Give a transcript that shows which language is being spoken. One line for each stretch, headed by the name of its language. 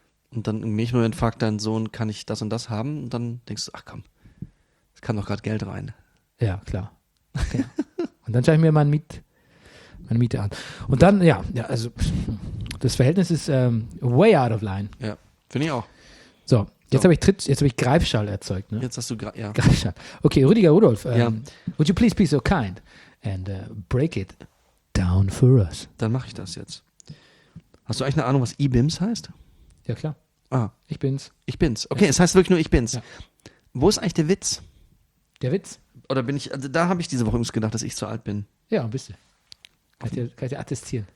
German: Und dann im nächsten Moment fragt dein Sohn, kann ich das und das haben? Und dann denkst du, ach komm, es kam doch gerade Geld rein. Ja, klar. Okay. Und dann schaue ich mir meine Miete an. Und dann, ja, also das Verhältnis ist
English: way out of line.
German: Ja, finde ich auch. So, jetzt habe ich Greifschall erzeugt. Ne? Jetzt hast du Greifschall.
English: Okay, Rüdiger Rudolf, would you please be so kind and break it down for us?
German: Dann mache ich das jetzt. Hast du eigentlich eine Ahnung, was IBIMS heißt? Ja, klar. Ah. Ich bin's. Ich bin's. Okay, es heißt wirklich nur, ich bin's. Ja. Wo ist eigentlich der Witz? Der Witz? Oder bin ich, also da habe ich diese Woche übrigens gedacht, dass ich zu alt bin. Ja, bist du. Kann ich dir attestieren.